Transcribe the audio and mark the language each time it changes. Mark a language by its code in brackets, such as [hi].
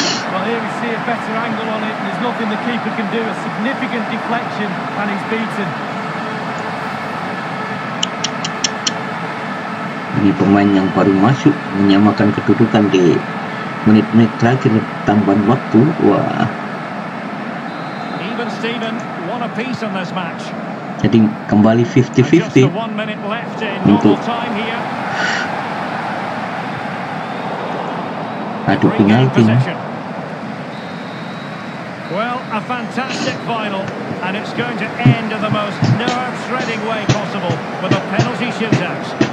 [en] Well, here we see a better angle on it. There's nothing the keeper can do. A significant deflection, and he's beaten. [id] Ini pemain yang baru masuk menyamakan kedudukan di menit-menit terakhir tambahan waktu. Wah. [en] Even Steven won a piece in this match. [id] Jadi kembali 50-50 untuk adu penalti. [en] Well, a fantastic final, and it's going to end in the most nerve-shredding way possible with a penalty shootout.